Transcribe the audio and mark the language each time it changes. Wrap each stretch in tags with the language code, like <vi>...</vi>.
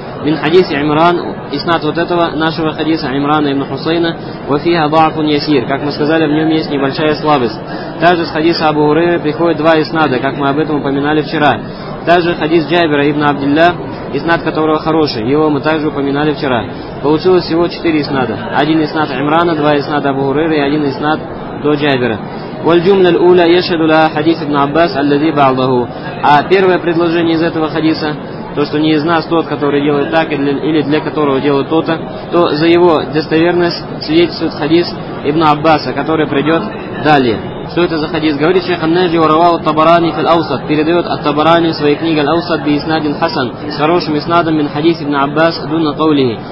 <ar>Мин хадиси Имран,</ar> <ru>иснад вот этого нашего хадиса Имрана ибн Хусейна,</ru> <ar>вафиха дафун ясир,</ar> <ru>как мы сказали, в нем есть небольшая слабость. Также с хадиса Абу Хурейры приходят 2 иснада, как мы об этом упоминали вчера. Также хадис Джабира ибн Абдилля, иснад которого хороший, его мы также упоминали вчера. Получилось всего 4 иснада. 1 иснад Имрана, 2 иснада Абу Хурейры и 1 иснад до Джабира.</ru> <ar>والجملة الأولى يشهد لها حديث ابن عباس الذي بعضه.</ar> <ru>А первое предложение из этого хадиса, то, что не из нас тот, который делает так, или для которого делает то-то, то за его достоверность свидетельствует хадис ибн Аббаса, который придет далее. Что это за хадис? Говорит шейх ан-Наджи,</ru> <ar>уравал ат-Табарани фил-Аусат,</ar> <ru>передает ат-Табарани в своей книге «Аусат</ru> <ar>би иснадин хасан»</ar> <ru>с хорошим иснадом</ru> <ar>мин хадис ибн Аббас дунна каулихи.</ar>